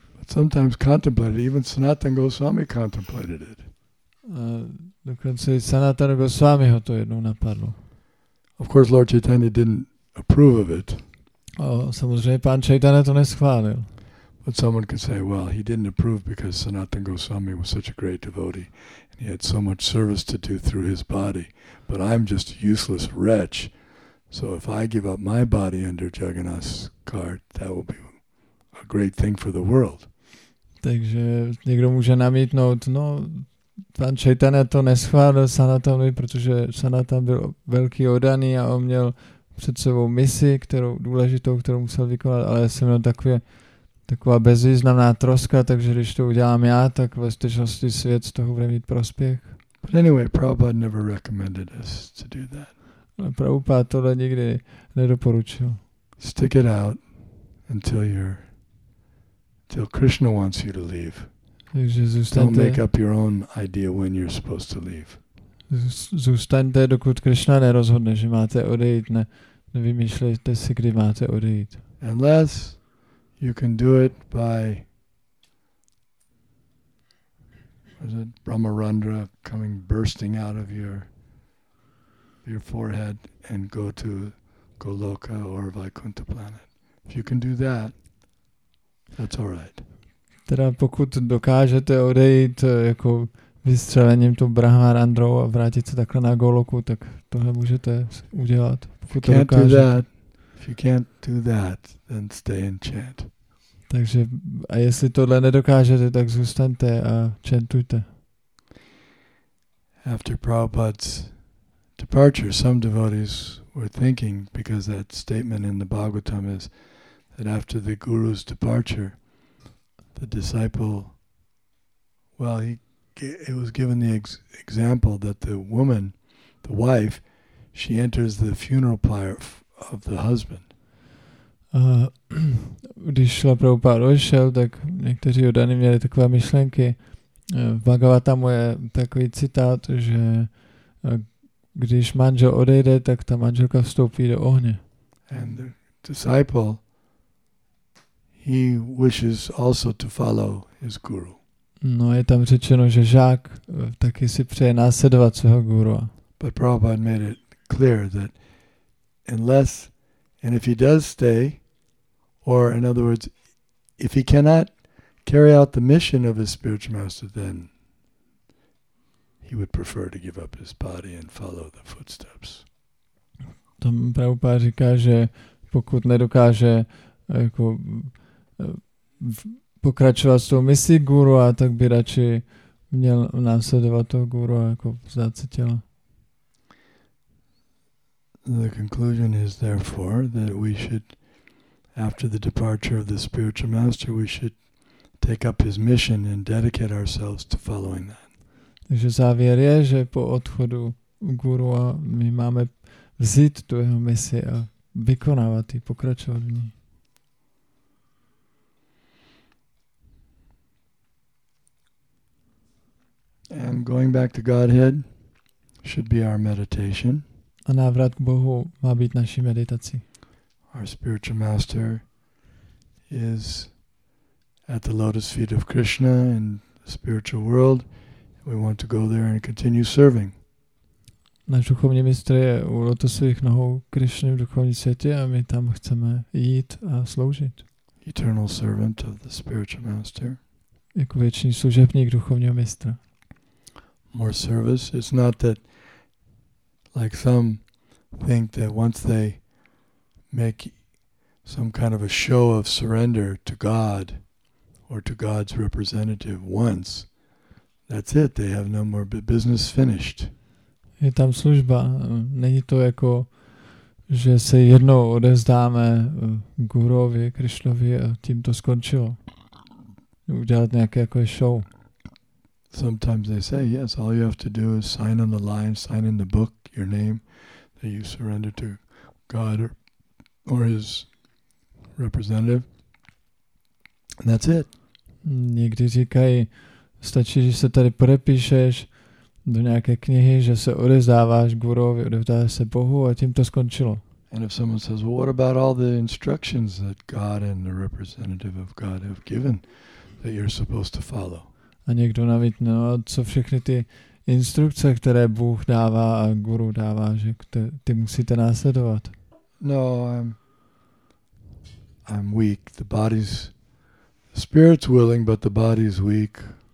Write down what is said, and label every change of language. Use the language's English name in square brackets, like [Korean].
[English] sometimes contemplated, even Sanatana Goswami contemplated it. [Czech] Dokonce i Sanatana Goswami ho to jednou napadlo. [English] Of course Lord Chaitanya didn't approve of it. [Czech] Samozřejmě pán Chaitanya to neschválil. [English] But someone could say, well, he didn't approve because Sanatana Goswami was such a great devotee and he had so much service to do through his body, but I'm just a useless wretch. So if I give up my body under Jagannath's cart, that will be a great thing for the world. [Czech] Takže někdo může namítnout, no, pan Chaitanya to neschválil Sanatanovi, protože Sanatan byl velký oddaný a on měl před sebou misi, kterou důležitou, kterou musel vykonat, ale jsem měl taková bezvýznamná troska, takže když to udělám já, tak ve skutečnosti svět z toho bude mít prospěch. [English] But anyway, Prabhupada never recommended us to do that. [Czech] Ale Prabhupada tohle nikdy nedoporučil. [English] Stick it out until Krishna wants you to leave. [Czech] Takže [English] don't make up your own idea when you're supposed to leave. [Czech] Zůstaňte, dokud Krishna nerozhodne, že máte odejít, nevymýšlejte si, kdy máte odejít. [English] Unless you can do it by Brahmarandra coming bursting out of your forehead and go to Goloka or Vaikuntha planet. If you can do that, that's all right. [Czech] Teda pokud dokážete odejít jako vystřelením tu Brahmarandrou a vrátit se takhle na Goloku, tak tohle můžete udělat. Pokud to dokážete. [English] If you can't do that, then stay and chant. [Czech] Takže a jestli tohle nedokážete, tak zůstaňte a chantujte. [English] After Prabhupada's departure, some devotees were thinking, because that statement in the Bhagavatam is that after the guru's departure, the disciple, well, it was given the example that the woman, the wife, she enters the funeral pyre of the husband. [Czech] Když šla Prabhupada odešel, tak někteří oddaní měli takové myšlenky. V Bhagavatam je takový citát, že když manžel odejde, tak ta manželka vstoupí do ohně. [English] And the disciple, he wishes also to follow his guru. [Czech] No, je tam řečeno, že žák taky si přeje následovat svého guru. [English] But Prabhupada made it clear that unless, and if he does stay, or in other words, if he cannot carry out the mission of his spiritual master, then he would prefer to give up his body and follow the footsteps. [Czech] Tam Prabhupada říká, že pokud nedokáže jako pokračovat s tou misí guru, a tak by radši měl následovat toho guru a jako vzdát se těla. [English] The conclusion is therefore that we should, after the departure of the spiritual master, we should take up his mission and dedicate ourselves to following that. [Czech] Takže závěr je, že po odchodu guru a my máme vzít tu jeho misi a vykonávat ji, pokračovat v ní. [English] And going back to Godhead should be our meditation. [Czech] A návrat k Bohu má být naší meditací. [English] Our spiritual master is at the lotus feet of Krishna in the spiritual world. We want to go there and continue serving. [Czech] Náš duchovní mistr je u lotosových nohou Krishny v duchovní světě a my tam chceme jít a sloužit. [English] Eternal servant of the spiritual master. [Czech] Jako věčný služebník duchovního mistra. [English] More service. It's not that, like some think that once they make some kind of a show of surrender to God or to God's representative once, that's it. They have no more business finished. [Czech] Je tam služba. Není to jako, že se jednou odevzdáme guruvi, Krišnovi a tím to skončilo. Udělat nějaké jako show. [English] Sometimes they say, yes, all you have to do is sign on the line, sign in the book, your name, that you surrender to God or his representative. And that's it. [Czech] Někdy říkají, stačí, že se tady podepíšeš do nějaké knihy, že se odevzdáváš guruvi, odevzdáváš se Bohu a tím to skončilo. [English] And if someone says, well, what about all the instructions that God and the representative of God have given that you're supposed to follow? [Czech] A někdo navítne, no, co všechny ty instrukce, které Bůh dává a guru dává, že ty musíte následovat. [English] No, I'm weak. The body's, the spirit's willing, but the body's weak.